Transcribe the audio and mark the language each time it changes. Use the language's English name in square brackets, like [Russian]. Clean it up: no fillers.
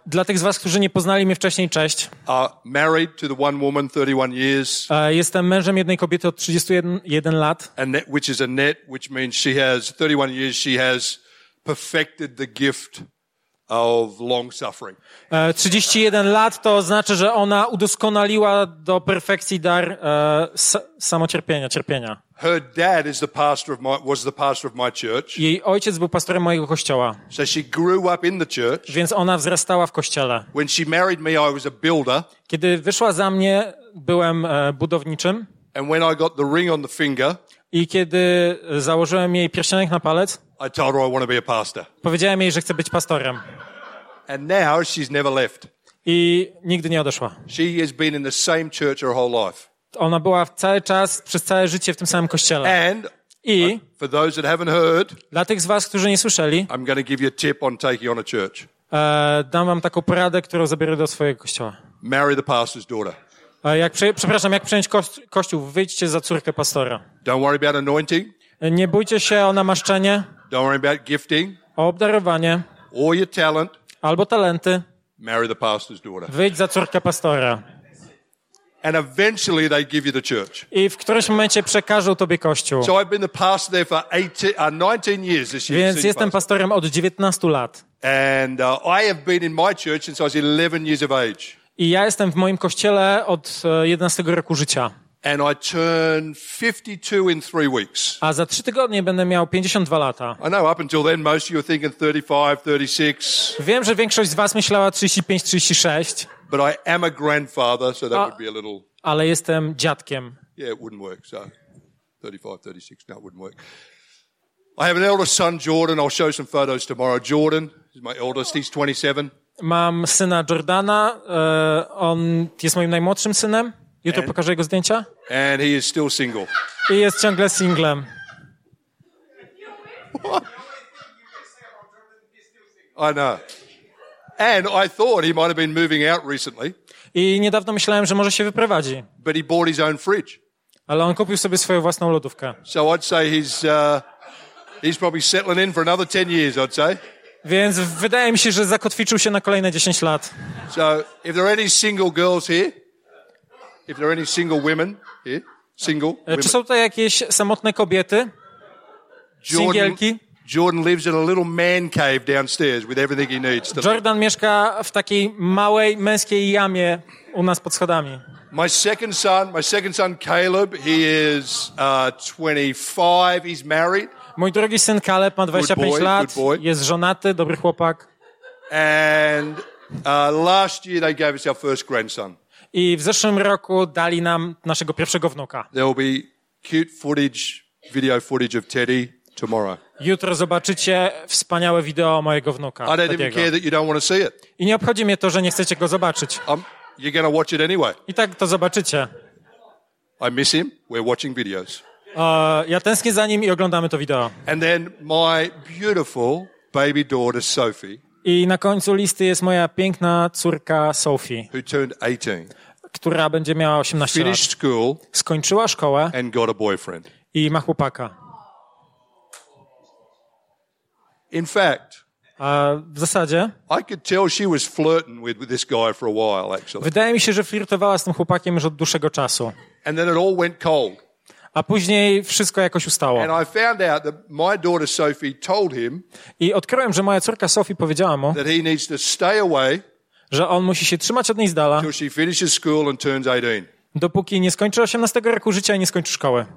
[Polish] Dla tych z was, którzy nie poznali mnie wcześniej, cześć. [English] Married to the one woman, 31 years. [Polish] Jestem mężem jednej kobiety od 31 lat. [English] Annette, which is Annette, which means she has 31 years. She has perfected the gift of long suffering. [Polish] 31 lat to oznacza, że ona udoskonaliła do perfekcji dar samocierpienia, cierpienia. [English] Her dad is the pastor of my was the pastor of my church. [Polish] Jej ojciec był pastorem mojego kościoła. [English] So she grew up in the church. [Polish] Więc ona wzrastała w kościele. [English] When she married me, I was a builder. [Polish] Kiedy wyszła za mnie, byłem budowniczym. [English] And when I got the ring on the finger, [Polish] i kiedy założyłem jej pierścionek na palec, [English] I told her I want to be a pastor. [Polish] Powiedziałem jej, że chcę być pastorem. [English] And now she's never left. [Polish] I nigdy nie odeszła. [English] She has been in the same church her whole life. [Polish] Ona była cały czas, przez całe życie w tym samym kościele. [English] And [Polish] i [English] for those that haven't heard, [Polish] dla tych z was, którzy nie słyszeli, [English] I'm going to give you a tip on taking on a church. [Polish] Dam wam taką poradę, którą zabiorę do swojego kościoła. [English] Marry the pastor's daughter. [Polish] Przepraszam, jak przejąć kościół, wyjdźcie za córkę pastora. [English] Don't worry about anointing. [Polish] Nie bójcie się o namaszczenie. [English] Don't worry about gifting. [Polish] O obdarowanie. [English] Or your talent. [Polish] Albo talenty. [English] Marry the pastor's daughter. [Polish] Wyjdź za córkę pastora. [English] And eventually they give you the church. [Polish] I w którymś momencie przekażą tobie kościół. [English] So I've been the pastor there for 19 years this year. [Polish] Więc jestem pastorem od 19 lat. [English] And I have been in my church since I was 11 years of age. [Polish] I ja jestem w moim kościele od 11 roku życia. [English] And I turn 52 in 3 weeks. [Polish] A za 3 tygodnie będę miał 52 lata. [English] I know up until then most of you are thinking 35, 36. [Polish] Wiem, że większość z was myślała 35, 36. [English] But I am a grandfather, so that would be a little. [Polish] Ale jestem dziadkiem. [English] Yeah, it wouldn't work. So 35, 36, no, it wouldn't work. I have an elder son, Jordan. I'll show some photos tomorrow. Jordan is my eldest. He's 27. [Polish] Mam syna Jordana. On jest moim najmłodszym synem. Jutro pokażę jego zdjęcia. [English] And he is still single. [Polish] I jest ciągle singlem. [English] What? I know. And I thought he might have been moving out recently. [Polish] I niedawno myślałem, że może się wyprowadzi. [English] But he bought his own fridge. [Polish] Ale on kupił sobie swoją własną lodówkę. [English] So I'd say he's probably settling in for another 10 years, I'd say. [Polish] Więc wydaje mi się, że zakotwiczył się na kolejne 10 lat. [English] So, if there are any single girls here, if there are any single women here, single women. [Polish] Czy są tutaj jakieś samotne kobiety? Singielki? [English] Jordan lives in a little man cave downstairs with everything he needs. [Polish] Jordan mieszka w takiej małej męskiej jamie u nas pod schodami. [English] My second son Caleb, he is 25, he's married. [Polish] Mój drugi syn Caleb ma 25 lat, jest żonaty, dobry chłopak. [English] And last year they gave us our first grandson. [Polish] I w zeszłym roku dali nam naszego pierwszego wnuka. [English] There will be cute footage, video footage of Teddy tomorrow. [Polish] Jutro zobaczycie wspaniałe wideo mojego wnuka. [English] I don't even care that you don't want to see it. [Polish] I nie obchodzi mnie to, że nie chcecie go zobaczyć. [English] You're gonna watch it anyway. [Polish] I tak to zobaczycie. [English] I miss him. We're watching videos. [Polish] Ja tęsknię za nim i oglądamy to wideo. [English] And then my beautiful baby daughter Sophie. [Polish] I na końcu listy jest moja piękna córka Sophie, [English] who turned 18, [Polish] która będzie miała 18 [English] finished [Polish] lat. [English] School, [Polish] skończyła szkołę [English] and got a boyfriend. [Polish] I ma chłopaka. [English] In fact, [Polish] w zasadzie [English] I could tell she was flirting with this guy for a while, actually. [Polish] Wydaje mi się, że flirtowała z tym chłopakiem już od dłuższego czasu. [English] And then it all went cold. [Polish] A później wszystko jakoś ustało. [English] And I found out that my daughter Sophie told him, [Polish] i odkryłem, że moja córka Sophie powiedziała mu, [English] that he needs to stay away, [Polish] że on musi się trzymać od niej z dala, [English] until she finishes school and turns 18. [Polish] Dopóki nie skończy 18 roku życia i nie skończy szkoły.